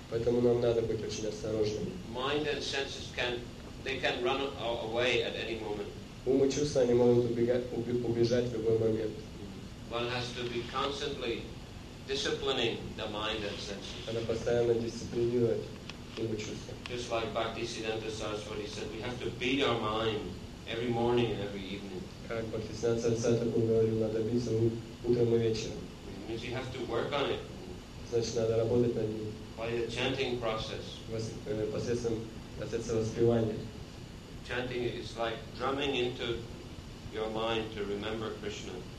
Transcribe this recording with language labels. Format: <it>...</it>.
<ru>Поэтому нам надо быть очень осторожными.</ru> <en>Mind and senses can run away at any moment.</en> <ru>Ум и чувства они могут убежать в любой момент.</ru> <en>One has to be constantly disciplining the mind and senses.</en> <ru>Надо постоянно дисциплинировать ум и чувства.</ru> <en>Just like Bhaktisiddhanta Saraswati said, we have to beat our mind every morning and every evening.</en> <ru>Как Бхактисиддханта Сарасвати говорил, надо биться утром и вечером.</ru> <en>Means you have to work on it.</en> <ru>Значит, надо работать над ним.</ru> <en>By the chanting process.</en> <ru>Посредством воспевания.</ru> <en>Chanting is like drumming into your mind to remember Krishna.</en>